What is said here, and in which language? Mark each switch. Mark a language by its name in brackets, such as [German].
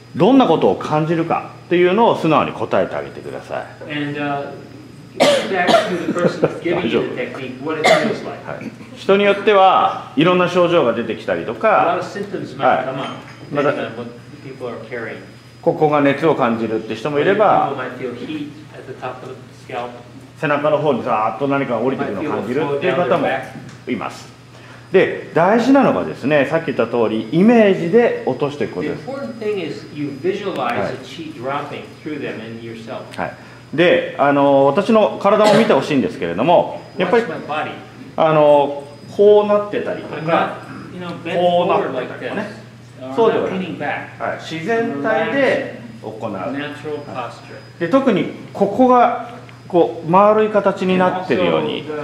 [Japanese] どんなことを感じるかっていうのを素直に答えてあげてください。 [English] And, back to the person giving you the technique, what it feels like. [Japanese] 人によってはいろんな症状が出てきたりとか、 [English] a lot of symptoms might come up, depending on what people are carrying. [Japanese] ここが熱を感じるって人もいれば、 [English] people might feel heat at the top of the scalp. [Japanese] 背中の方にさーっと何か降りてくるのを感じるっていう方もいます。で、大事なのがですね、さっき言った通りイメージで落としていくことです。 [English] The important thing is you visualize a chi dropping through them in yourself. [Japanese] はい。で私の体も見てほしいんですけれども、やっぱりこうなってたりとか、こうなってたりとかね、そうではない、はい、自然体で行う、はい、で特にここがこう丸い形になっているように、